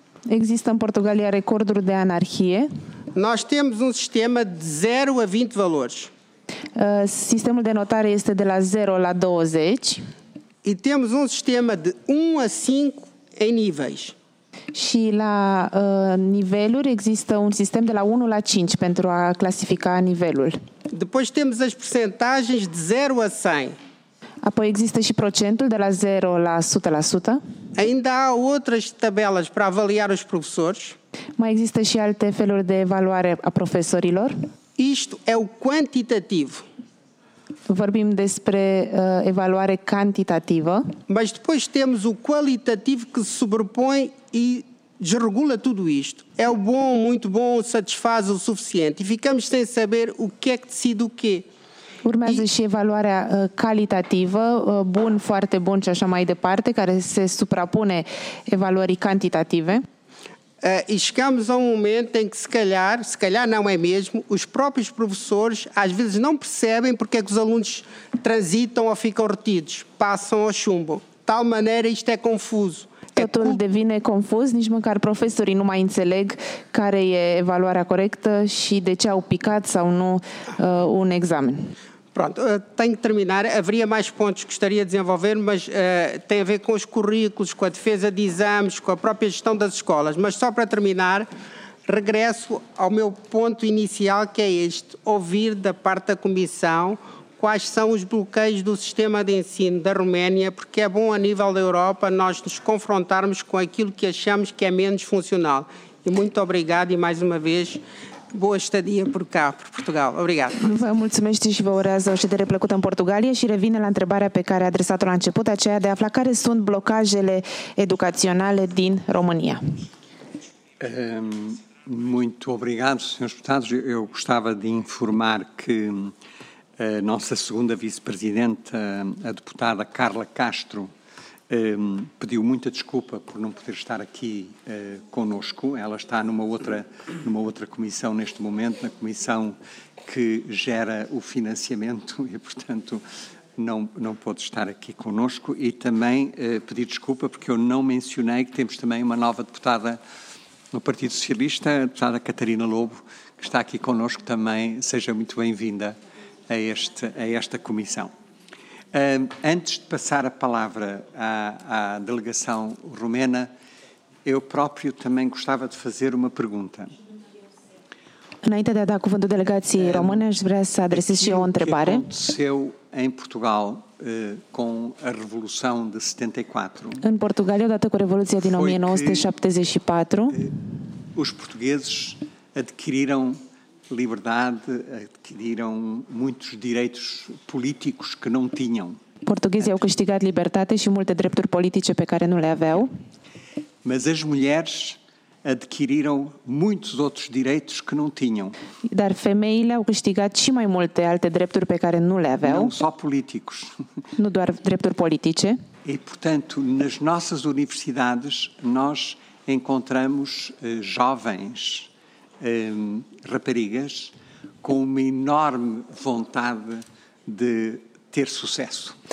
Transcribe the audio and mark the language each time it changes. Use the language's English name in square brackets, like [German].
[Romanian] Există în Portugalia recorduri de anarhie. [Portuguese] Nós temos sistema de 0 a 20 valores. [Romanian] Sistemul de notare este de la 0 la 20. [Portuguese] E temos sistema de 1 a 5 em níveis. [Romanian] Și la niveluri există un sistem de la 1 la 5 pentru a clasifica nivelul. [Portuguese] Depois temos as percentagens de 0 a 100. [Romanian] Apoi există și procentul de la 0 la 100%. [Portuguese] Ainda há outras tabelas para avaliar os professores. [Romanian] Mai există și alte feluri de evaluare a profesorilor. [Portuguese] Isto é o quantitativo. [Romanian] Vorbim despre evaluare cantitativă. [Portuguese] Mas depois temos o qualitativo que se sobrepõe e desregula tudo isto. É o bom, muito bom, satisfaz o suficiente. E ficamos sem saber o que é que decide o quê. [Romanian] Urmează și evaluarea calitativă, bun, foarte bun și așa mai departe, care se suprapune evaluării cantitative. [Portuguese] E chegamos a momento em que se calhar não é mesmo, os próprios professores às vezes não percebem porque é que os alunos transitam ou ficam retidos, passam ao chumbo. De tal maneira isto é confuso. [Romanian] Totul devine confuz, nici măcar profesorii nu mai înțeleg care e evaluarea corectă și de ce au picat sau nu un examen. [Portuguese] Pronto, tenho que terminar. Haveria mais pontos que gostaria de desenvolver, mas tem a ver com os currículos, com a defesa de exames, com a própria gestão das escolas. Mas só para terminar, regresso ao meu ponto inicial, que é este, ouvir da parte da Comissão quais são os bloqueios do sistema de ensino da Roménia, porque é bom a nível da Europa nós nos confrontarmos com aquilo que achamos que é menos funcional. E muito obrigado e mais uma vez, boa estadia por cá, por Portugal. Obrigado. [Romanian] Vă mulțumesc și vă urez o ședere plăcută în Portugalia și revine la întrebarea pe care a adresat-o la început, aceea de a afla care sunt blocajele educaționale din România. [Portuguese] Muito obrigado, senhores deputados. Eu gostava de informar que a nossa segunda vice-presidente, a deputada Carla Castro, pediu muita desculpa por não poder estar aqui conosco. Ela está numa outra comissão neste momento, na comissão que gera o financiamento e, portanto, não pode estar aqui conosco. E também pedir desculpa porque eu não mencionei que temos também uma nova deputada no Partido Socialista, a deputada Catarina Lobo, que está aqui conosco também. Seja muito bem-vinda a esta comissão. Antes de passar a palavra à delegação romena, Eu próprio também gostava de fazer uma pergunta. [Romanian] Înainte de a da cuvântul delegației române, aș vrea să adresez și eu o întrebare. [Portuguese] Ce a acontecut în Portugal com a Revolução de 74? [Romanian] În Portugal, odată cu Revoluția din 1974, [Portuguese] os portugueses adquiriram liberdade, adquiriram muitos direitos políticos que não tinham. [Romanian] Portuguesii au câștigat libertate și multe drepturi politice pe care nu le aveau. [Portuguese] Mas as mulheres adquiriram muitos outros direitos que não tinham. [Romanian] Dar femeile au câștigat și mai multe alte drepturi pe care nu le aveau. [Portuguese] Não só políticos. [Romanian] Nu doar drepturi politice. [Portuguese] E, portanto, nas nossas universidades, nós encontramos jovens, raparigas, com uma enorme vontade de ter sucesso.